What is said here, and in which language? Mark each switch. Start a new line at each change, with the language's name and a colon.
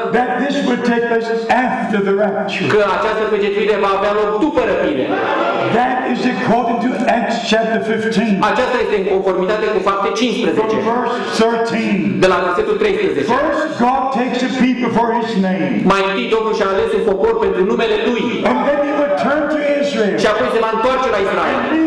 English: that this will take place after the rapture.
Romanian: Că această pecetuire va avea loc după răpire.
English: That is according to Acts chapter 15.
Romanian: Aceasta este în conformitate cu Fapte 15.
English: Verse 13.
Romanian: De la versetul 13.
English: First God takes a people for His name.
Romanian: Mai întâi Domnul și-a ales un popor pentru numele Lui.
English: And then He will turn to Israel.
Romanian: Și apoi se va întoarce la Israel.